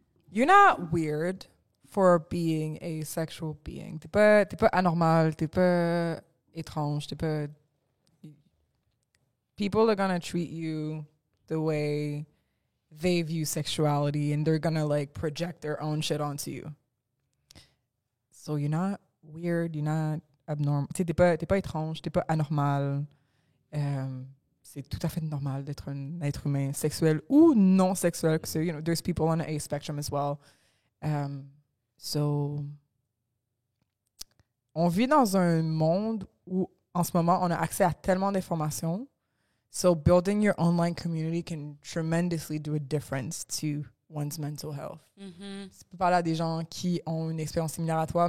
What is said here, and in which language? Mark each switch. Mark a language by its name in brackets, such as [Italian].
[English] You're not weird for being a sexual being. [French] T'es pas anormal, t'es pas étrange, t'es pas... [English] People are going to treat you the way they view sexuality, and they're going to, like, project their own shit onto you. So you're not weird, you're not abnormal. [French] T'es pas étrange, t'es pas anormal. C'est tout à fait normal d'être un être humain, sexuel ou non sexuel. [English] So, you know, there's people on a spectrum as well. [French] So, on vit dans un monde où, en ce moment, on a accès à tellement d'informations. [English] So, building your online community can tremendously do a difference to one's mental health. Mm-hmm. [French] Tu peux parler à des gens qui ont une expérience similaire à toi.